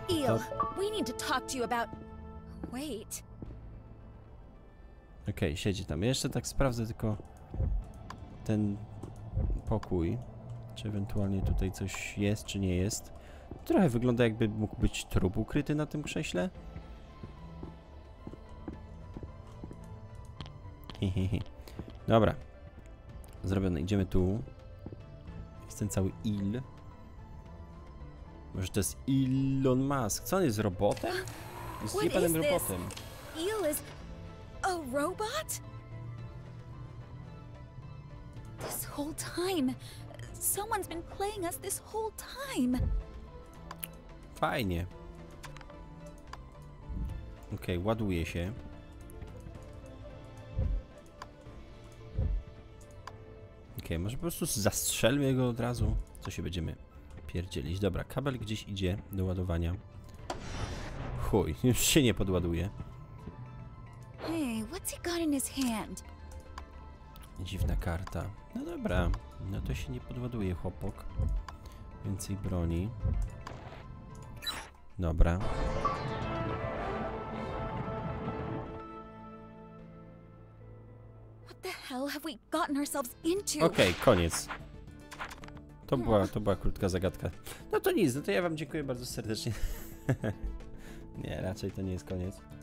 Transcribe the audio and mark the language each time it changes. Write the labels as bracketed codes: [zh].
[en] Eel, we need to talk to you about. Wait. [pl] Okej, siedzi tam. Jeszcze tak sprawdzę tylko ten pokój. Czy ewentualnie tutaj coś jest, czy nie jest. Trochę wygląda, jakby mógł być trup ukryty na tym krześle. Dobra. Zrobione, idziemy tu. Jest ten cały Il. Może to jest Elon Musk? Co on jest, robotem? Jest jebanym robotem. [en] Il is a robot? This whole time. Someone's been playing us this whole time. [pl] Fajnie. Okej, ładuje się. Okej, może po prostu zastrzelmy go od razu. Co się będziemy pierdzielić? Dobra, kabel gdzieś idzie do ładowania. Chuj, już się nie podładuje. [en] Hey, what's he got in his hand? [pl] Dziwna karta. No dobra, no to się nie podładuje, chłopok. Więcej broni. Dobra. [en] What the hell have we gotten ourselves into? [pl] Okej, koniec. To była krótka zagadka. No to nic, no to ja wam dziękuję bardzo serdecznie. Nie, raczej to nie jest koniec.